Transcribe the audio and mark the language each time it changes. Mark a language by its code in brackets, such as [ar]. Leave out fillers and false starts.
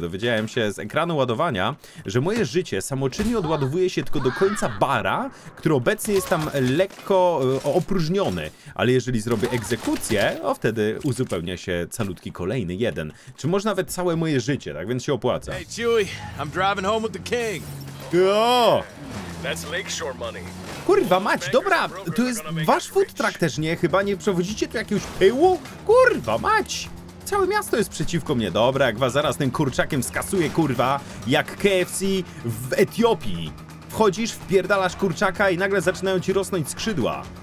[pl] Dowiedziałem się z ekranu ładowania, że moje życie samoczynnie odładowuje się tylko do końca bara, który obecnie jest tam lekko opróżniony. Ale jeżeli zrobię egzekucję, o wtedy uzupełnia się calutki kolejny jeden. Czy może nawet całe moje życie, tak więc się opłaca. [en] Hey, Chewie, I'm driving home with the king. That's Lakeshore money. [pl] Kurwa, mać, dobra, to jest wasz food truck też, nie? Chyba nie przewodzicie tu jakiegoś pyłu? Kurwa, mać! Całe miasto jest przeciwko mnie, dobra, jak was zaraz tym kurczakiem skasuje, kurwa, jak KFC w Etiopii. Wchodzisz, wpierdalasz kurczaka i nagle zaczynają ci rosnąć skrzydła.